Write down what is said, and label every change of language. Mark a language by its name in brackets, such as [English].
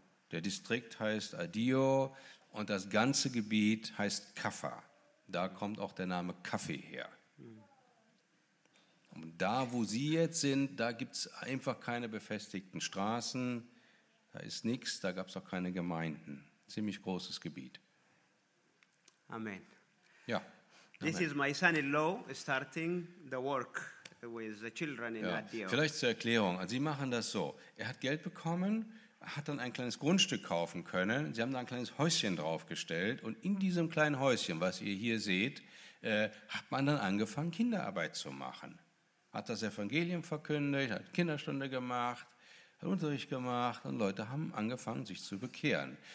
[German] Der Distrikt heißt Adio und das ganze Gebiet heißt Kaffa. Da kommt auch der Name Kaffee her. Und da, wo Sie jetzt sind, da gibt es einfach keine befestigten Straßen. Da ist nichts, da gab es auch keine Gemeinden. Ziemlich großes Gebiet. Amen. Ja. Amen. [English] This is my son-in-law starting the work with the children in Adio. [German] Vielleicht zur Erklärung. Sie machen das so. Er hat Geld bekommen, hat dann ein kleines Grundstück kaufen können. Sie haben da ein kleines Häuschen draufgestellt und in diesem kleinen Häuschen, was ihr hier seht, hat man dann angefangen, Kinderarbeit zu machen. Hat das Evangelium verkündigt, hat Kinderstunde gemacht, hat Unterricht gemacht und Leute haben angefangen, sich zu bekehren.